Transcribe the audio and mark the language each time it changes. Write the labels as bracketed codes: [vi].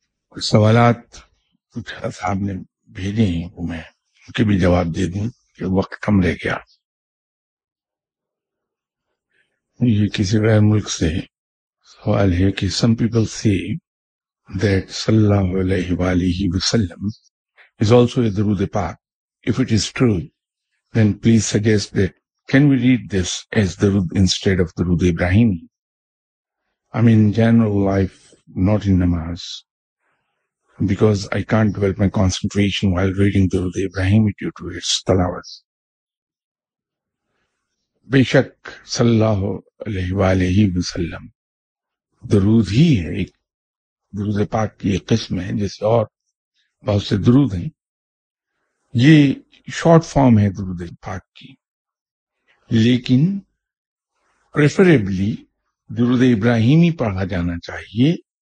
[ur] کچھ سوالات کچھ اصحاب نے بھیجے ہیں وہ میں ان کے بھی جواب دے دوں کہ وقت کم رہ گیا. یہ کسی غیر ملک سے سوال ہے کہ سم پیپل سے [en] that sallallahu alaihi wa alihi wasallam is also a durood pak. If it is true, then please suggest that can we read this as durood instead of durood ibrahim. I'm in general life, not in namaz, because I can't develop my concentration while reading durood ibrahim due to its talawat. [ur] Beshak sallallahu alaihi wa alihi wasallam durood hi hai, درود پاک کی ایک قسم ہے جیسے اور بہت سے درود ہیں. یہ شارٹ فارم ہے درود پاک کی, لیکن پریفریبلی درود ابراہیمی پڑھا جانا چاہیے.